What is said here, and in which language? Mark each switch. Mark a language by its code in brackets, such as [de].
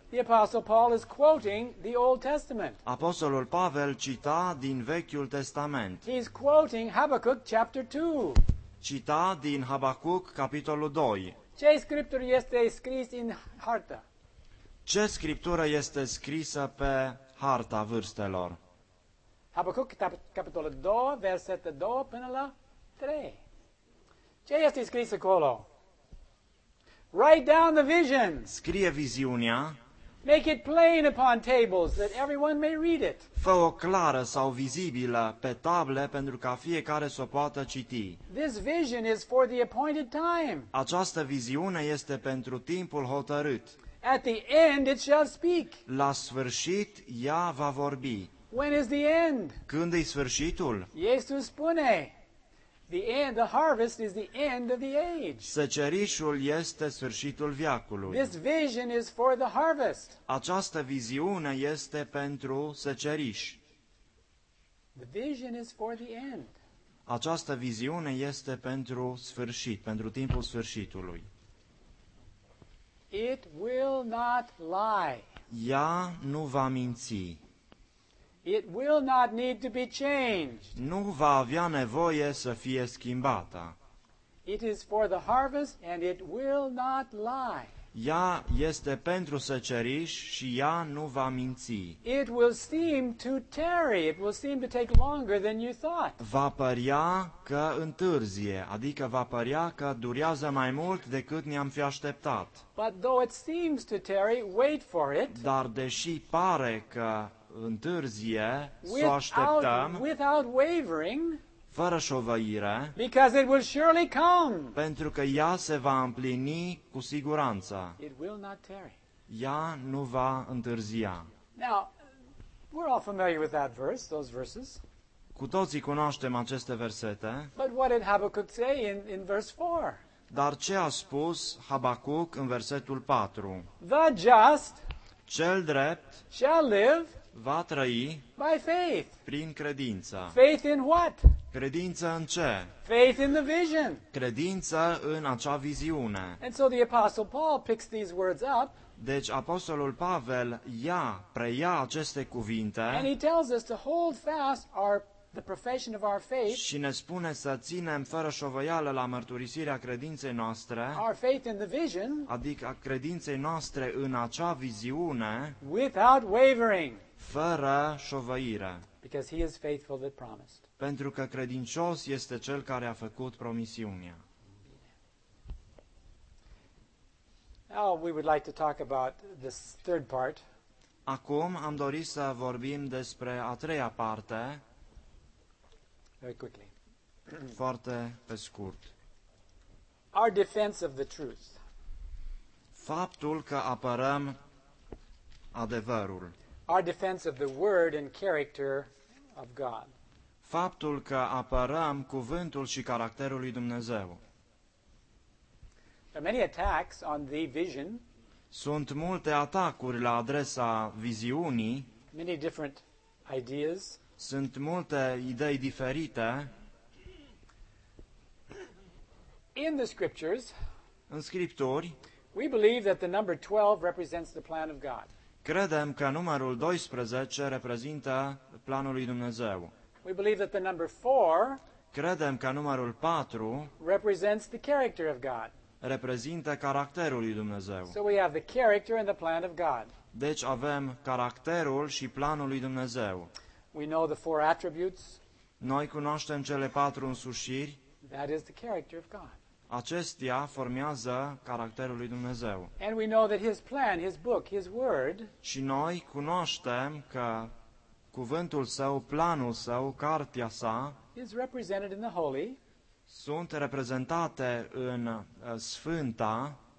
[en] The Apostle Paul is quoting the Old Testament. [ro] Apostolul Pavel cita din Vechiul Testament. [en] He is quoting Habacuc chapter 2. [ro] Cita din Habacuc, capitolul 2. Ce scriptură este scris în harta? Ce scriptură este scrisă pe harta vârstelor? Habacuc, capitolul 2, versetul 2 până la 3. Ce este scris acolo? [en] Write down the vision. [ro] Scrie viziunea. [en] Make it plain upon tables that everyone may read it. [ro] Fă-o clară sau vizibilă pe table pentru ca fiecare să o poată citi. [en] This vision is for the appointed time. [ro] Această viziune este pentru timpul hotărât. [en] At the end it shall speak. [ro] La sfârșit ea va vorbi. [en] When is the end? [ro] Când e sfârșitul? Iisus spune, [en] The end, the harvest is the end of the age. [ro] Secerișul este sfârșitul veacului. [en] This vision is for the harvest. [ro] Această viziune este pentru seceriș. [en] The vision is for the end. [ro] Această viziune este pentru sfârșit, pentru timpul sfârșitului. [en] It will not lie. [ro] Ea nu va minți. [en] It will not need to be changed. [ro] Nu va avea nevoie să fie schimbată. [en] It is for the harvest and it will not lie. [ro] Ea este pentru săceriș și ea nu va minți. [en] It will seem to tarry. It will seem to take longer than you thought. [ro] Va părea că întârzie, adică va părea că durează mai mult decât ne-am fi așteptat. [en] But though it seems to tarry, wait for it. [ro] Dar deși pare că întârzie, să o așteptăm, [en] without wavering, [ro] fără șovăire, [en] because it will surely come. [ro] Pentru că ea se va împlini cu siguranță. [en] It will not tarry. [ro] Ea nu va întârzia. [en] Now, we're all familiar with that verse, those verses. [ro] Cu toții cunoaștem aceste versete. [en] But what did Habacuc say in verse 4? [ro] Dar ce a spus Habacuc în versetul 4? [en] The just, [ro] cel drept, [en] shall live, [ro] va trăi, [en] by faith, [ro] prin credință. [en] Faith in what? [ro] Credință în ce? [en] Faith in the vision. [ro] Credință în acea viziune. [en] And so the apostle Paul picks these words up. [ro] Deci apostolul Pavel ia, preia aceste cuvinte. [en] And he tells us to hold fast the profession of our faith. [ro] Și ne spune să ținem fără șovăială la mărturisirea credinței noastre. [en] Our faith in the vision. [ro] Adică credinței noastre în acea viziune. [en] Without wavering. [ro] Fără șovăire. [en] Because he is faithful that promised. [ro] Pentru că credincios este cel care a făcut promisiunea. [en] Now we would like to talk about this third part. [ro] Acum am dorit să vorbim despre a treia parte. [en] Very quickly. [ro] Foarte pe scurt. [en] Our defense of the truth. [ro] Faptul că apărăm adevărul. [en] Our defense of the word and character of God. [ro] Faptul că apărăm cuvântul și caracterul lui Dumnezeu. [en] There are many attacks on the vision. [ro] Sunt multe atacuri la adresa viziunii. [en] Many different ideas. [ro] Sunt multe idei diferite. [en] In the scriptures, [ro] în scripturi, [en] we believe that the number 12 represents the plan of God. [ro] Credem că numărul 12 reprezintă planul lui Dumnezeu. [en] We believe that the number 4, [ro] credem că numărul 4 [en] represents the character of God. [ro] Reprezintă caracterul lui Dumnezeu. [en] So we have the character and the plan of God. [ro] Deci avem caracterul și planul lui Dumnezeu. [en] We know the four attributes. [ro] Noi cunoaștem cele patru însușiri. [en] That is the character of God. [ro] Acestea formează caracterul lui Dumnezeu. [en] And we know that his plan, his book, his word. [ro] Și noi cunoaștem că cuvântul său, planul său, cartea sa [en] is represented in the holy. [ro] Sunt reprezentate în sfânta.